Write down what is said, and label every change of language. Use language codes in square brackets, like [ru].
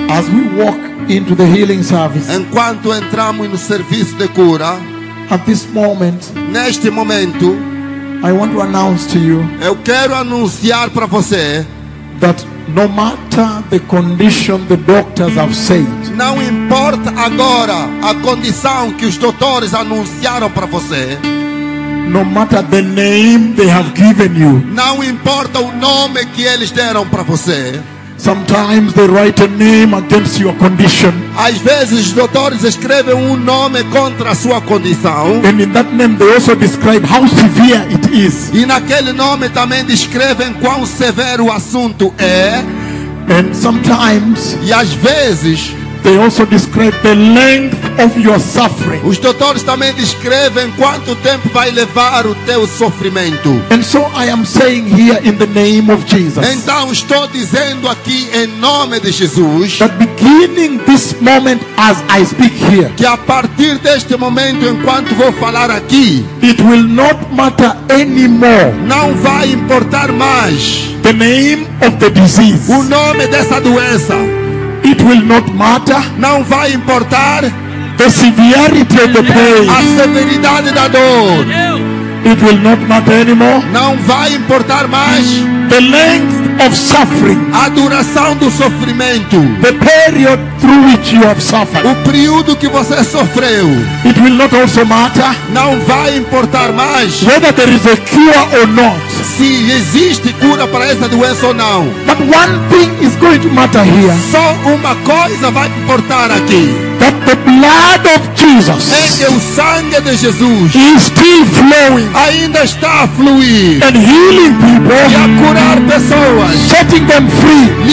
[en] as we walk into the healing service, [pt] enquanto entramos no serviço de cura, [en] at this moment, [pt] neste momento, [en] I want to announce to you. [pt] Eu quero anunciar para você [en] that no matter the condition the doctors have said, [pt] não importa agora a condição que os doutores anunciaram para você, [en] no matter the name they have given you, [pt] não importa o nome que eles deram para você. [en] Sometimes they write a name against your condition. [pt] Às vezes, os doutores escrevem nome contra a sua condição. [en] And in that name, they also describe how severe it is. [pt] E naquele nome também descrevem quão severo o assunto é. [en] And sometimes, [pt] e às vezes, [en] they also describe the length of your suffering. [pt] Os doutores também descrevem quanto tempo vai levar o teu sofrimento. [en] And so I am saying here in the name of Jesus. [pt] Então estou dizendo aqui em nome de Jesus. [en] That beginning this moment as I speak here. [pt] Que a partir deste momento enquanto vou falar aqui, [en] it will not matter anymore. [pt] Não vai importar mais. [en] The name of the disease. [pt] O nome dessa doença. [en] It will not matter. [pt] Não vai importar [en] the severity of the pain. [pt] A severidade da dor. [en] It will not matter anymore. [pt] Não vai importar mais [en] the length of suffering. [pt] A duração do sofrimento. [en] The period through which you have suffered. [pt] O período que você sofreu. [en] It will not also matter. [pt] Não vai importar mais [en] whether there is a cure or not. [pt] Se existe cura para essa doença ou não. [en] But one thing is going to matter here. [pt] Só uma coisa vai importar aqui. [en] That the blood of Jesus. [pt] É que o sangue de Jesus [en] is still flowing. [pt] Ainda está a fluir. [en] And healing people. [pt] E a curar pessoas. [en] Setting them free.